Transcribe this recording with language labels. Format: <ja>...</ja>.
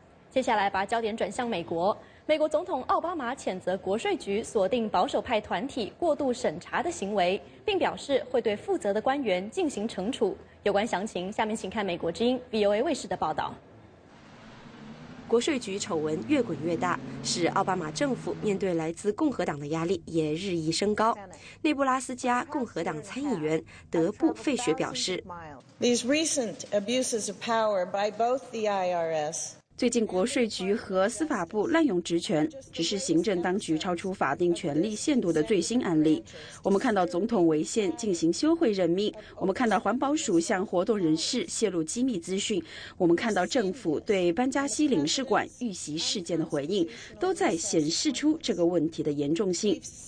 <zh>接下来把焦点转向美国，美国总统奥巴马谴责国税局锁定保守派团体过度审查的行为，并表示会对负责的官员进行惩处。有关详情下面请看美国之音 VOA 卫视的报道。国税局丑闻越滚越大，使奥巴马政府面对来自共和党的压力也日益升高。内布拉斯加共和党参议员德布费雪表示，</zh> <en>These recent abuses of power by both the IRS.</en> <zh>最近国税局和司法部滥用职权，只是行政当局超出法定权力限度的最新案例。我们看到总统违宪进行休会任命，我们看到环保署向活动人士泄露机密资讯，我们看到政府对班加西领事馆遇袭事件的回应，都在显示出这个问题的严重性。</zh>